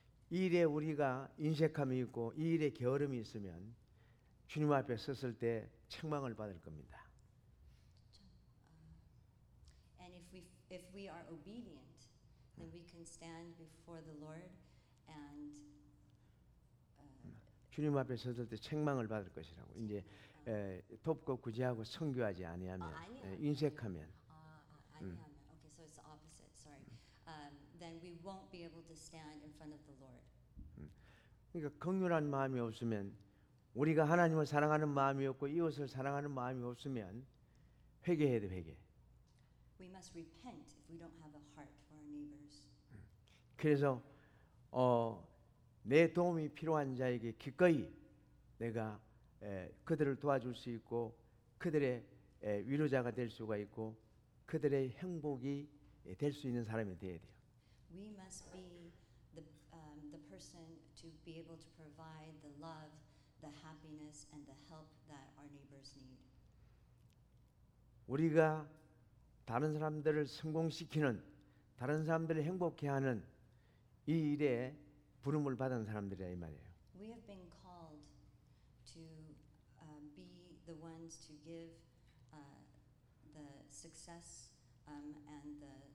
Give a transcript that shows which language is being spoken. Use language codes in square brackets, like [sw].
[ko] 이 일에 우리가 인색함이 있고 이 일에 게으름이 있으면 주님 앞에 섰을 때 책망을 받을 겁니다. [en] And if we are obedient. Then we can stand before the Lord and [ko] 주님 앞에 섰을 때 책망을 받을 것이라고 이제 돕고 구제하고 선교하지 아니하면 인색하면 [en] Okay, so it's the opposite. Sorry. Then we won't be able to stand in front of the Lord. [ko] 그러니까 긍휼한 마음이 없으면 우리가 하나님을 사랑하는 마음이 없고 이웃을 사랑하는 마음이 없으면 회개해야 돼 회개. [en] We must repent if we don't have a heart for our neighbors. [ko] 그래서 내 도움이 필요한 자에게 기꺼이 내가 그들을 도와줄 수 있고 그들의 위로자가 될 수가 있고 그들의 행복이 될 수 있는 사람이 돼야 돼요. [en] We must be the person to be able to provide the love, the happiness, and the help that our neighbors need. [ko] 우리가 다른 사람들을 성공시키는 다른 사람들을 행복케 하는 이 일에 부름을 받은 사람들이란 말이에요. [en] We have been called to be the ones to give the success and the